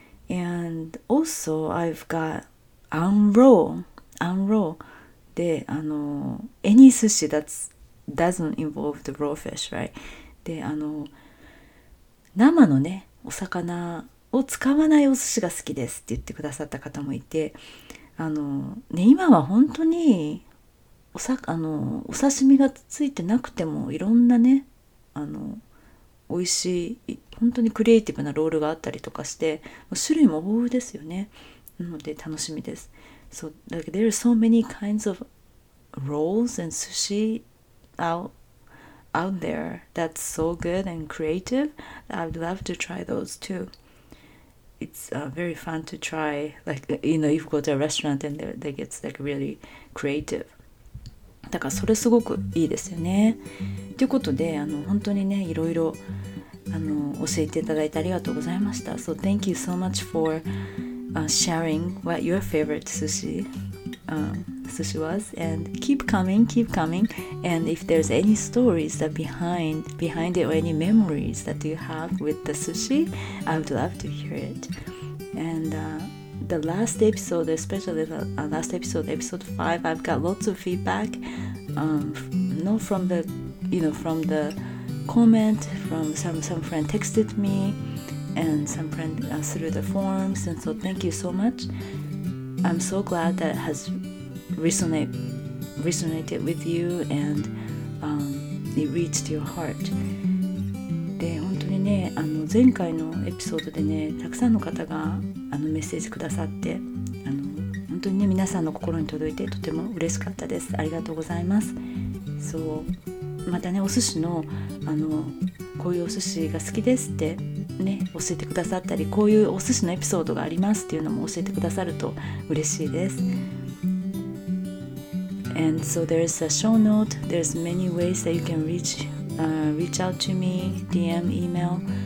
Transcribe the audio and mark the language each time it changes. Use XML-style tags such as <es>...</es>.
<en>And also I've got unroll</en> <ja>で、あの</ja> <en>any sushi that doesn't involve the raw fish, right?</en> <ja>で、あの生のね、お魚を使わないお寿司が好きですって言ってくださった方もいて、あのね、今は本当にお刺身がついてなくてもいろんなね、あの美味しい、本当にクリエイティブなロールがあったりとかして、種類も豊富ですよね。なので楽しみです。</ja> <en>So, like, there are so many kinds of rolls and sushi out there that's so good and creative. I would love to try those too. It's、very fun to try, like, you know, if you go to a restaurant and they get like really creative.</en> <ja>だからそれすごくいいですよね。ということで、あの本当にね、いろいろあの教えていただいてありがとうございました。</ja> <en>So thank you so much for、sharing what your favorite sushi、sushi was, and keep coming. And if there's any stories that behind it or any memories that you have with the sushi, I would love to hear it. And、the last episode, especially the last episode, episode 5, I've got lots of feedback, not from the, you know, from the comment from some friend texted me, and some friend through the forms, and so thank you so much. I'm so glad that it has resonated with you and it reached your heart.</en> <ja>で本当にね、前回のエピソードでね、たくさんの方がメッセージくださって、本当にね、皆さんの心に届いてとても嬉しかったです。ありがとうございます。そう、またね、お寿司の、こういうお寿司が好きですってね、教えてくださったり、こういうお寿司のエピソードがありますっていうのも教えてくださると嬉しいです。</ja> <en>And so there's a show note. There's many ways that you can reach out to me, DM, email.</en>